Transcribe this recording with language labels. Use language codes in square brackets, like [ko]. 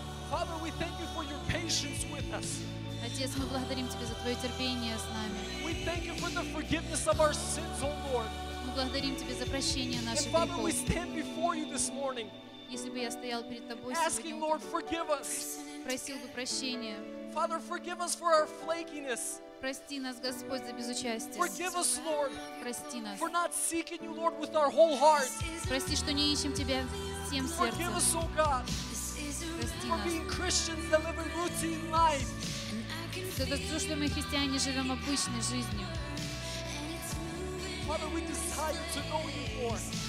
[en] Father, we thank You for Your patience with us. [ru] Отец, мы благодарим Тебя за Твое терпение с нами. [en] We thank You for the forgiveness of our sins, O Lord. [ru] Мы благодарим Тебя за прощение наших грехов. [en] Father, we stand before You this morning. [ru] Если бы я стоял перед Тобой сегодня утром, [en] Lord, forgive us. [ru] Просил бы прощения. [en] Father, forgive us for our flakiness. [ru] Прости нас, Господь, за безучастие. [en] Forgive us, Lord. [ru] Прости нас. [en] For not seeking You, Lord, with our whole heart. [ru] Прости, что не ищем Тебя всем сердцем. [en] Forgive us, O God. [ru] Прости нас. [en] For being Christians that live a routine life. [ru] За то, что мы христиане живем обычной жизнью. [en] Father, we desire to know You more.